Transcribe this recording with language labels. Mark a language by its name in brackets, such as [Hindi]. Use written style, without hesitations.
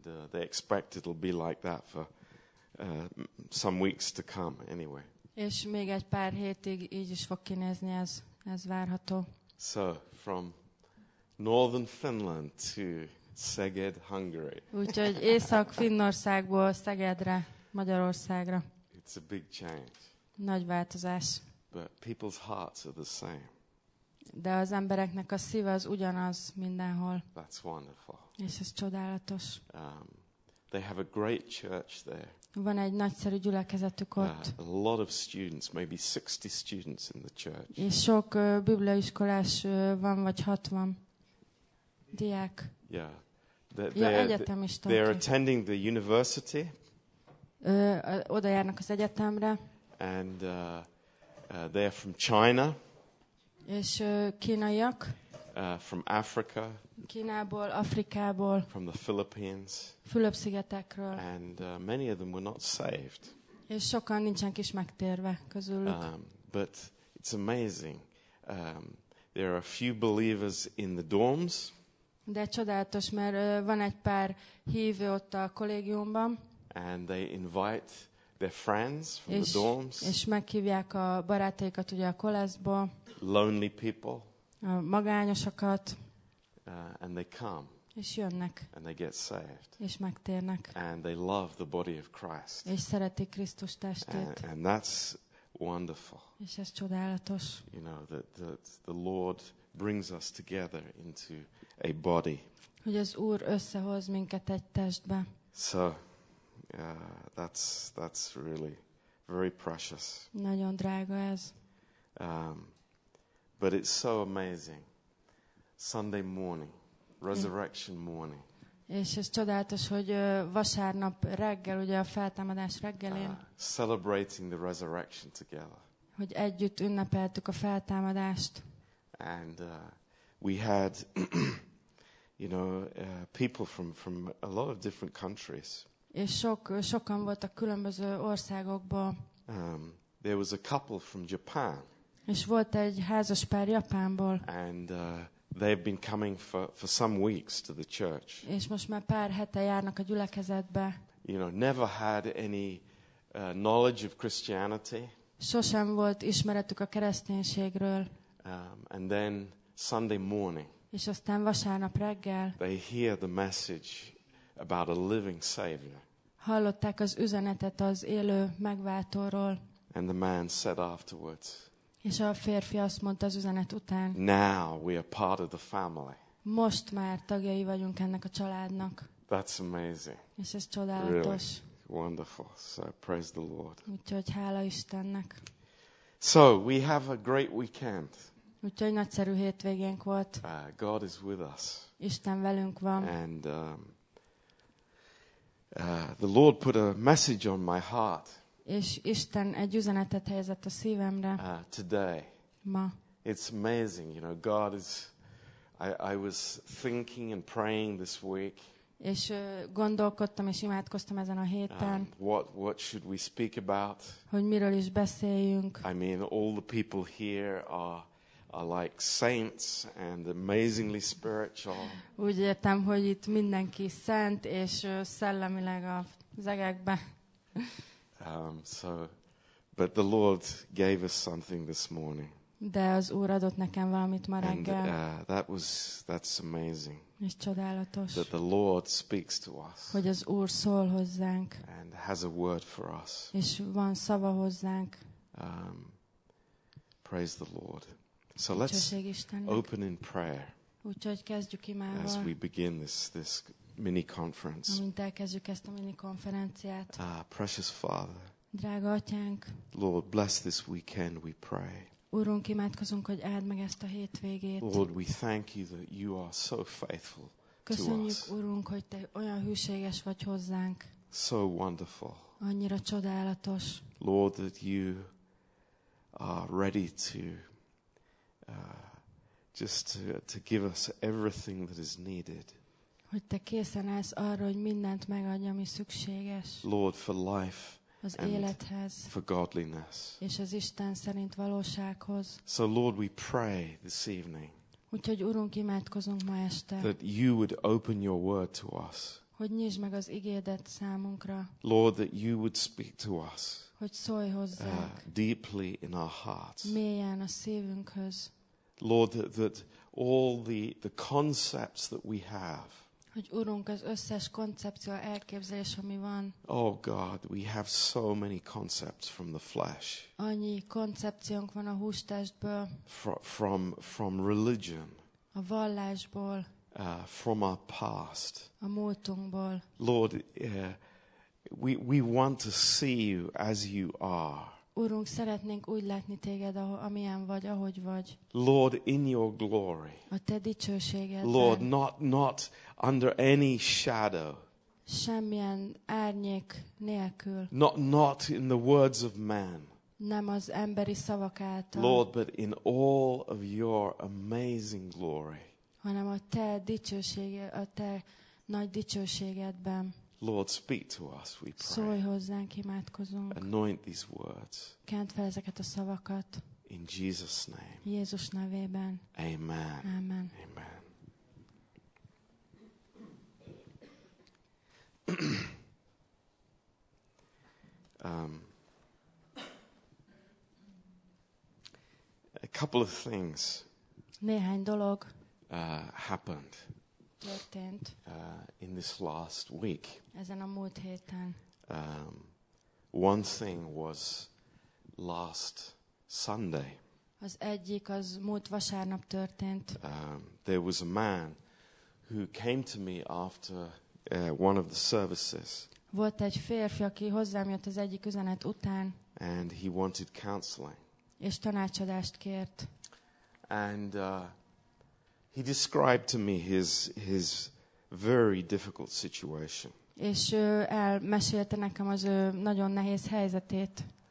[English] They expect it'll be like that for some weeks to come anyway. [Hungarian] És még egy pár hétig így is fog kinézni ez várható. [English] So from northern Finland to Szeged, Hungary. [Hungarian] Úgyhogy Észak-Finnországból Szegedre, Magyarországra. [English] It's a big change. [Hungarian] Nagy változás. [English] But people's hearts are the same. [Hungarian] De az embereknek a szíve az ugyanaz mindenhol. [English] That's wonderful. [Hungarian] És ez csodálatos. [English] They have a great church there. [Hungarian] Van egy nagyszerű gyülekezetük ott. [English] A lot of students, maybe 60 students in the church. [Hungarian] És sok bibliaiskolás van, vagy 60 diák. [English] Yeah. [Hungarian] Egyetemistok. [English] They're attending the university. [Hungarian] Oda járnak az egyetemre. [English] And they're from China. [Hungarian] És kínaiak. [English] From Africa. [Hungarian] Kínából, Afrikából. [English] From the Philippines. [Hungarian] Fülöp-szigetekről. [English] And many of them were not saved. [Hungarian] És sokan nincsen kis megtérve közülük. [English] But it's amazing. There are a few believers in the dorms. [Hungarian] De csodálatos, mert van egy pár hívő ott a kollégiumban. [English] And they invite their friends from the dorms. [Hungarian] És meghívják a barátaikat ugye a koleszból. [English] Lonely people. [Hungarian] A magányosokat. [English] And they come. [Hungarian] És jönnek. [English] And they get saved. [Hungarian] És megtérnek. [English] And they love the body of Christ. [Hungarian] És szeretik Krisztus testét. [English] And that's wonderful. [Hungarian] És ez csodálatos. [English] You know that the Lord brings us together into a body. [Hungarian] Hogy az Úr összehoz minket egy testbe. [English] So that's really very precious. [Hungarian] Nagyon drága ez. [English] But it's so amazing. Sunday morning, resurrection morning. [Hungarian] És ez csodálatos, hogy vasárnap reggel, ugye a feltámadás reggelén, [English] celebrating the resurrection together. [Hungarian] Hogy együtt ünnepeltük a feltámadást. [English] And we had you know, people from a lot of different countries. [Hungarian] És sokan voltak különböző országokból. [English] There was a couple from Japan. [Hungarian] És volt egy házas pár Japánból. [English] And they've been coming for some weeks to the church. [Hungarian] És most már pár hete járnak a gyülekezetbe. [English] You know, never had any knowledge of Christianity. [Hungarian] Sosem volt ismeretük a kereszténységről. [English] And then Sunday morning. [Hungarian] És aztán vasárnap reggel. [English] They hear the message about a living savior. [Hungarian] Hallották az üzenetet az élő megváltóról. [English] And the man said afterwards. [Hungarian] És a férfi azt mondta az üzenet után. [English] Now we are part of the family. [Hungarian] Most már tagjai vagyunk ennek a családnak. [English] That's amazing. [Hungarian] És ez csodálatos. [English] Really wonderful. So praise the Lord. [Hungarian] Úgyhogy hála Istennek. [English] So we have a great weekend. [Hungarian] Úgyhogy nagyszerű hétvégénk volt. [English] God is with us. [Hungarian] Isten velünk van. [English] And the Lord put a message on my heart. [Hungarian] És Isten egy üzenetet helyezett a szívemre. [English] Today. [Hungarian] Ma. [English] It's amazing, you know, God is, I was thinking and praying this week. [Hungarian] És gondolkodtam és imádkoztam ezen a héten. [English] What should we speak about? [Hungarian] Hogy miről is beszéljünk. [English] I mean, all the people here are like saints and amazingly spiritual. [Hungarian] Úgy értem, hogy itt mindenki szent és szellemileg a zegekbe. [English] So, but the Lord gave us something this morning. [Hungarian] De az Úr adott nekem valamit ma reggel. [English] And that's amazing. [Hungarian] És csodálatos. [English] That the Lord speaks to us. [Hungarian] Hogy az Úr szól hozzánk. [English] And has a word for us. [Hungarian] És van szava hozzánk. [English] Praise the Lord. So let's open in prayer. [Hungarian] Úgyhogy kezdjük imával. [English] As we begin this mini conference. [Hungarian] Amint elkezdjük ezt a mini konferenciát. [English] Precious Father. [Hungarian] Drága Atyánk. [English] Lord, bless this weekend, we pray. [Hungarian] Úrunk, imádkozunk, hogy áld meg ezt a hétvégét. [English] Lord, we thank you that you are so faithful to us. [Hungarian] Köszönjük, Úrunk, hogy te olyan hűséges vagy hozzánk. [English] So wonderful. [Hungarian] Annyira csodálatos. [English] Lord, that you are ready to just to give us everything that is needed. [Hungarian] Hogy te készen állsz arra, hogy mindent megadj, ami szükséges. [English] Lord, for life [Hungarian] az élethez, [English] for godliness. [Hungarian] És az Isten szerint valósághoz. [English] So Lord, we pray this evening. [Hungarian] Úgyhogy Urunk, imádkozunk ma este. [English] That you would open your word to us. [Hungarian] Hogy nyisd meg az igédet számunkra. [English] Lord, that you would speak to us. [Hungarian] Hogy szólj hozzánk. [English] Deeply in our hearts. [Hungarian] Mélyen a szívünkhöz. [English] Lord, that all the concepts that we have. [Hungarian] Hogy Urunk, az összes koncepció, elképzelés, ami van. [English] Oh God, we have so many concepts from the flesh. [Hungarian] Annyi koncepciónk van a hústestből. [English] From religion. [Hungarian] A vallásból. [English] From our past. [Hungarian] A múltunkból. [English] Lord, we want to see you as you are. [Hungarian] Urunk, szeretnénk úgy látni téged, amilyen vagy, ahogy vagy. [English] Lord, in your glory. [Hungarian] A te dicsőségedben. [English] Lord, not under any shadow. [Hungarian] Semmilyen árnyék nélkül. [English] Not in the words of man. [Hungarian] Nem az emberi szavak által. [English] Lord, but in all of your amazing glory. [Hungarian] Hanem a te dicsőséged, a te nagy dicsőségedben. [English] Lord, speak to us, we pray. [Hungarian] Szólj hozzánk, imádkozunk. [English] Anoint these words. [Hungarian] Kent fel ezeket a szavakat. [English] In Jesus' name. [Hungarian] Jézus nevében. [English] Amen. [Hungarian] Amen. Amen. [English] A couple of things. [Hungarian] Néhány dolog. [English] Happened. [Hungarian] Történt. [English] In this last week. [Hungarian] Ezen a múlt héten. [English] One thing was last Sunday. [Hungarian] Az egyik az múlt vasárnap történt. [English] There was a man who came to me after one of the services. [Hungarian] Volt egy férfi, aki hozzám jött az egyik üzenet után. [English] And he wanted counseling. [Hungarian] És tanácsadást kért. [English] And he described to me his very difficult situation. [Hungarian] És elmesélte nekem az nagyon nehéz helyzetét.